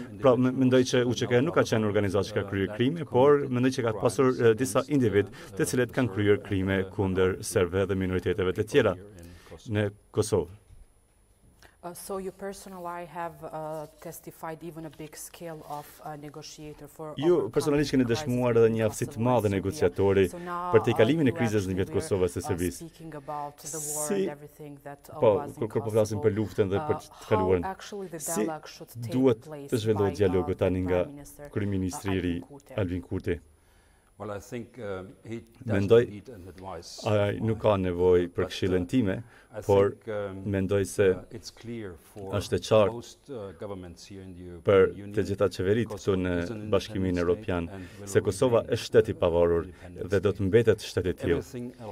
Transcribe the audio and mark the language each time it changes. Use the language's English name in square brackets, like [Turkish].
[Albanian] Pra mendoj që UÇK nuk ka qenë organizatë që ka kryer krime, por mendoj që ka pasur disa individ të cilët kanë kryer krime kundër serbëve dhe minoriteteve të tjera në Kosovë. [English] So you personally have testified even a big scale of a negotiator for you [Albanian] personalisht keni dëshmuar edhe një aftësi të madhe negociatori për të kalimin e krizës në vetë Kosovës së Serbisë. [English] Speaking about the war and everything that was [Albanian] kur po flasim për luftën dhe për të kaluarën. Si duhet të zhvillohet dialogu tani nga kryeministri i ri Albin Kurti? [English] Well, I think he [Albanian] mendoj, ai nuk ka nevojë për këshillën time, por mendoj se është e qartë për të gjitha qeveritë këtu në Bashkimin Evropian se Kosova është shtet i pavarur dhe do të mbetet shtet i tillë.